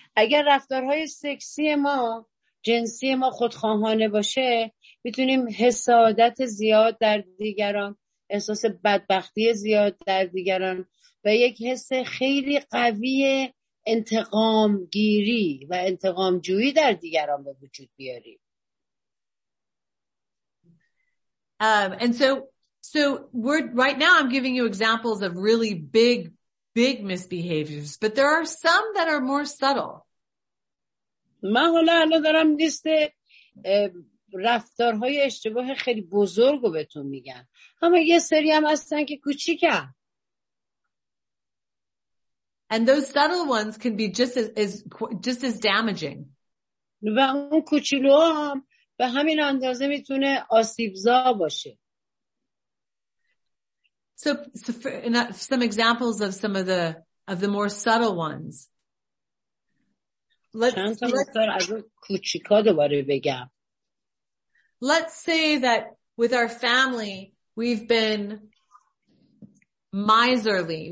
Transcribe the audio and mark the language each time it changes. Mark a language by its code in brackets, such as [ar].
[fa] اگر رفتارهای سکسی ما جنسی ما خودخواهانه باشه میتونیم حسادت زیاد در دیگران، احساس بدبختی زیاد در دیگران و یک حس خیلی قوی انتقام گیری و انتقام جویی در دیگران به وجود بیاریم. [en] And so we're right now I'm giving you examples of really big misbehaviors, but there are some that are more subtle. [fa] من حالا دارم لیست رفتارهای اشتباه خیلی بزرگ رو بهتون میگم. اما یه سری هم هستن که کوچیکن. [en] And those subtle ones can be just as damaging. [fa] و اون کوچولو هم به همین اندازه میتونه آسیبزا باشه. [en] So some examples of some of the more subtle ones. Let's say that with our family, we've been miserly.